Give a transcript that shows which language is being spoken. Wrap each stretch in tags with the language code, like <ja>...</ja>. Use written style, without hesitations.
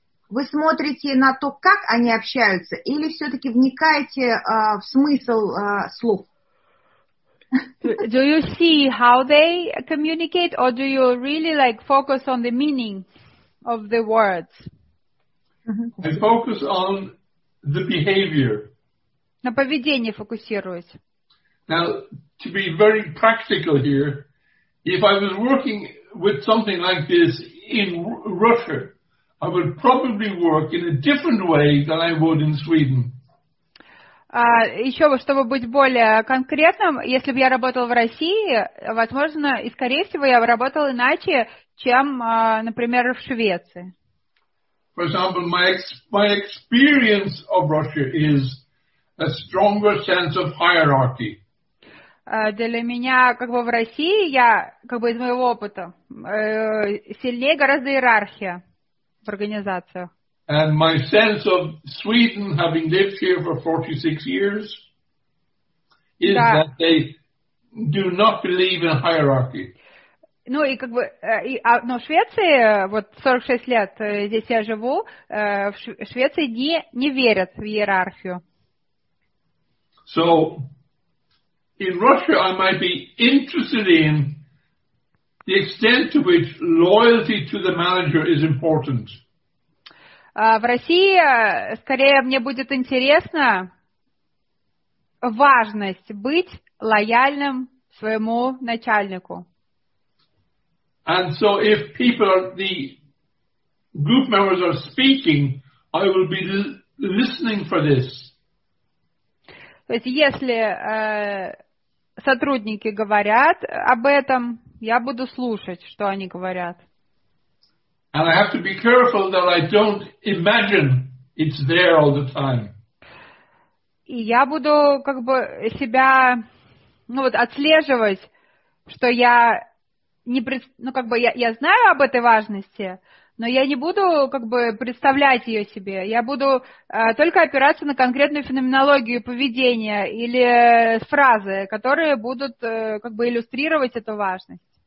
<ru>Вы смотрите на то, как они общаются, или все-таки вникаете в смысл слов?</ru> <en>Do you see how they communicate, or do you really like focus on the meaning of the words? I focus on the behavior.</en> <ru>На поведение фокусируюсь.</ru> <en>Now, to be very practical here, if I was working with something like this in Russia, I would probably work in a different way than I would in Sweden.</en> <ru>Еще, чтобы быть более конкретным, если бы я работал в России, возможно, и скорее всего, я бы работал иначе, чем, например, в Швеции.</ru> <en>For example, my experience of Russia is a stronger sense of hierarchy.</en> <ru>Для меня, как бы в России, я, как бы из моего опыта, сильнее гораздо иерархия в организациях.</ru> <en>And my sense of Sweden, having lived here for 46 years, is</en> <ru>да.</ru> <en>That they do not believe in hierarchy.</en> <ru>Ну и как бы, но в Швеции, вот 46 лет здесь я живу, в Швеции не верят в иерархию.</ru> <en>So, in Russia, I might be interested in the extent to which loyalty to the manager is important.</en> <ru>В России, скорее, мне будет интересно важность быть лояльным своему начальнику.</ru> <en>And so if people, the group members are speaking, I will be listening for this.</en> <ru>То есть если сотрудники говорят об этом, я буду слушать, что они говорят.</ru> <en>And I have to be careful that I don't imagine it's there all the time.</en> <ru>И я буду как бы себя, ну вот, отслеживать, что я не я знаю об этой важности, но я не буду как бы представлять ее себе. Я буду только опираться на конкретную феноменологию поведения или фразы, которые будут как бы иллюстрировать эту важность.</ru>